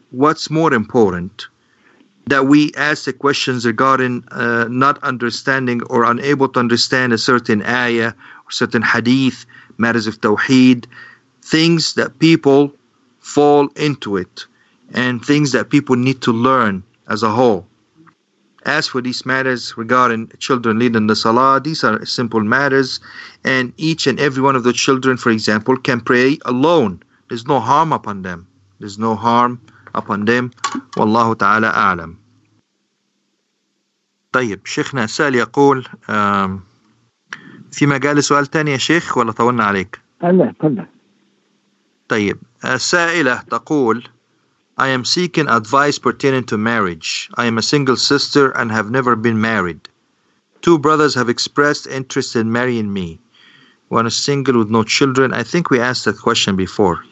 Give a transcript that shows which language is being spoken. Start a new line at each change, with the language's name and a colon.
English: What's more important? That we ask the questions regarding not understanding or unable to understand a certain ayah or certain hadith, matters of tawheed, things that people fall into it and things that people need to learn as a whole. As for these matters regarding children leading the salah, these are simple matters and each and every one of the children, for example, can pray alone. There's no harm upon them. There's no harm upon them. Wallahu ta'ala a'lam.
Arabic: طيب شيخنا سأل يقول في مجال سؤال تاني يا شيخ ولا طولنا عليك؟ طولنا. طيب السائلة تقول
English: I am seeking advice pertaining to marriage. I am a single sister and have never been married. Two brothers have expressed interest in marrying me. One is single with no children. I think we asked that question before.